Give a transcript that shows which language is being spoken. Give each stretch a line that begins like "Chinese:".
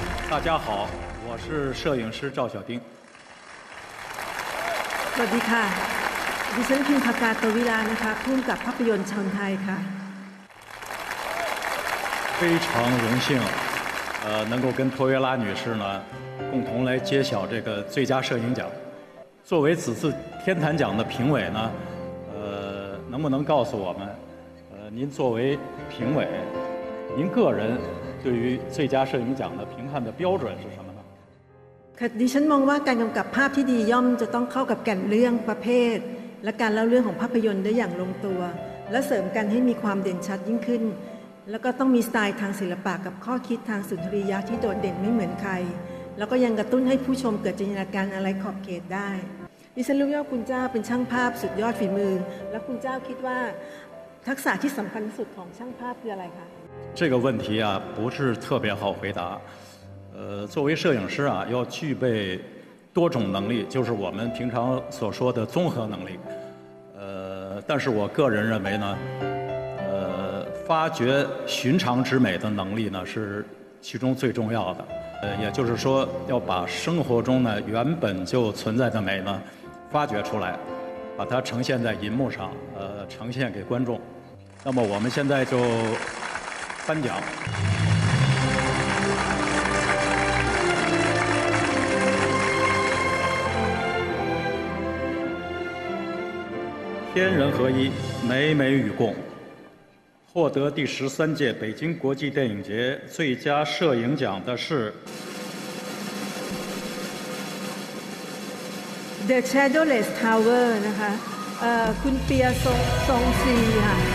Chinese: 大家好，我是摄影师赵小丁。
Thai: สวัสดีค่ะดิฉันพิมพ์ภากาโตวิลานะคะผู้กำกับภาพยนตร์ชาวไทยค่ะ
Chinese: 非常荣幸能够跟托维拉女士呢共同来揭晓这个最佳摄影奖。作为此次天坛奖的评委呢，能不能告诉我们您作为评委，您个人对于最佳摄影奖的评判的标准是什么呢？
Thai: ค่ะดิฉันมองว่าการกำกับภาพที่ดีย่อมจะต้องเข้ากับแก่นเรื่องประเภทและการเล่าเรื่องของภาพยนตร์ได้อย่างลงตัวและเสริมกันให้มีความเด่นชัดยิ่งขึ้นแล้วก็ต้องมีสไตล์ทางศิลปะกับข้อคิดทางสุนทรียะที่โดดเด่นไม่เหมือนใครแล้วก็ยังกระตุ้นให้ผู้ชมเกิดจินตนาการอะไรขอบเขตได้ดิฉันรู้ว่าคุณเจ้าเป็นช่างภาพสุดยอดฝีมือและคุณเจ้าคิดว่าทักษะที่สำคัญที่สุดของช่างภาพคืออะไรคะ
Chinese: 这个问题啊不是特别好回答作为摄影师啊要具备多种能力，就是我们平常所说的综合能力。但是我个人认为呢，发掘寻常之美的能力呢是其中最重要的。也就是说，要把生活中呢原本就存在的美呢发掘出来，把它呈现在银幕上，呈现给观众。那么我们现在就颁奖。天人合一，美美与共，获得第十三届北京国际电影节最佳摄影奖的是 The Shadowless Tower 呢哈，คุณเปียส่งส่งซี哈